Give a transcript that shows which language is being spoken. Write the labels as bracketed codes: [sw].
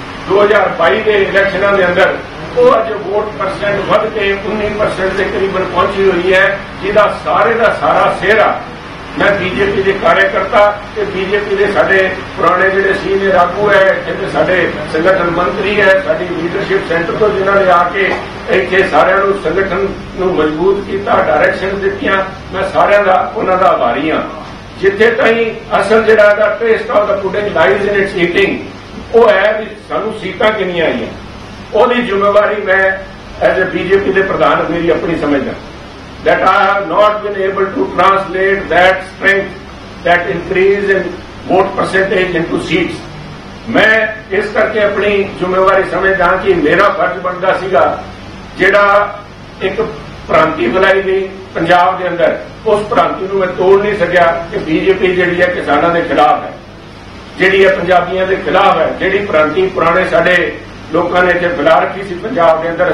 [pa] 2022 ਦੇ ਇਲੈਕਸ਼ਨਾਂ ਦੇ ਅੰਦਰ, ਉਹ ਅੱਜ ਵੋਟ ਪਰਸੈਂਟ ਵੱਧ ਕੇ 19% ਦੇ ਕਰੀਬਨ ਪਹੁੰਚੀ ਹੋਈ ਹੈ, ਜਿਹਦਾ ਸਾਰੇ ਦਾ ਸਾਰਾ ਸਿਹਰਾ ਮੈਂ ਬੀਜੇਪੀ ਦੇ ਕਾਰਜਕਰਤਾ ਤੇ ਬੀਜੇਪੀ ਦੇ ਸਾਡੇ ਪੁਰਾਣੇ ਜਿਹੜੇ ਸੀਨੀਅਰ ਆਗੂ ਹੈ, ਜਿਹੜੇ ਸਾਡੇ ਸੰਗਠਨ ਮੰਤਰੀ ਹੈ, ਸਾਡੀ ਲੀਡਰਸ਼ਿਪ ਸੈਂਟਰ ਤੋਂ ਜਿਨ੍ਹਾਂ ਨੇ ਆ ਕੇ ਇੱਥੇ ਸਾਰਿਆਂ ਨੂੰ ਸੰਗਠਨ ਨੂੰ ਮਜ਼ਬੂਤ ਕੀਤਾ, ਡਾਇਰੈਕਸ਼ਨ ਦਿੱਤੀਆਂ, ਮੈਂ ਸਾਰਿਆਂ ਦਾ ਉਹਨਾਂ ਦਾ ਆਭਾਰੀ ਹਾਂ। ਜਿੱਥੇ ਤਾਈਂ ਅਸਲ ਜਿਹੜਾ ਹੈਗਾ [en] taste of the pudding lies in its eating, [pa] ਉਹ ਹੈ ਵੀ ਸਾਨੂੰ ਸੀਟਾਂ ਕਿੰਨੀਆਂ ਆਈਆਂ, ਉਹਦੀ ਜ਼ਿੰਮੇਵਾਰੀ ਮੈਂ ਐਜ਼ ਏ ਬੀਜੇਪੀ ਦੇ ਪ੍ਰਧਾਨ ਮੇਰੀ ਆਪਣੀ ਸਮਝਦਾ। [en] That I have not been able to translate that strength, that increase in vote percentage into seats. [pa] ਮੈਂ ਇਸ ਕਰਕੇ ਆਪਣੀ ਜ਼ਿੰਮੇਵਾਰੀ ਸਮਝਦਾ ਕਿ ਮੇਰਾ ਫਰਜ਼ ਬਣਦਾ ਸੀਗਾ ਜਿਹੜਾ ਇੱਕ ਭ੍ਰਾਂਤੀ ਫੈਲਾਈ ਗਈ ਪੰਜਾਬ ਦੇ ਅੰਦਰ, ਉਸ ਭ੍ਰਾਂਤੀ ਨੂੰ ਮੈਂ ਤੋੜ ਨਹੀਂ ਸਕਿਆ ਕਿ ਬੀਜੇਪੀ ਜਿਹੜੀ ਹੈ ਕਿਸਾਨਾਂ ਦੇ ਖਿਲਾਫ਼ ਹੈ, ਜਿਹੜੀ ਹੈ ਪੰਜਾਬੀਆਂ ਦੇ ਖਿਲਾਫ਼ ਹੈ, ਜਿਹੜੀ ਭ੍ਰਾਂਤੀ ਪੁਰਾਣੇ ਸਾਡੇ ਲੋਕਾਂ ਨੇ ਇੱਥੇ ਫੈਲਾ ਰੱਖੀ ਸੀ ਪੰਜਾਬ ਦੇ ਅੰਦਰ।